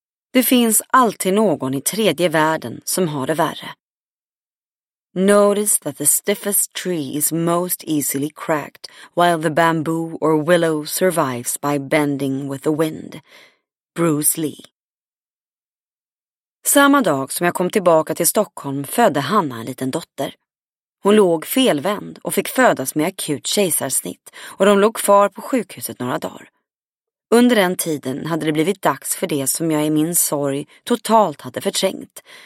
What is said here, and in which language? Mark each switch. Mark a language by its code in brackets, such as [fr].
[sv] Det finns alltid någon i tredje världen som har det värre. [en] Notice that the stiffest tree is most easily cracked, while the bamboo or willow survives by bending with the wind. Bruce Lee. [sv] Samma dag som jag kom tillbaka till Stockholm födde Hanna en liten dotter. Hon låg felvänd och fick födas med akut kejsarsnitt och de låg kvar på sjukhuset några dagar. Under den tiden hade det blivit dags för det som jag i min sorg totalt hade förträngt.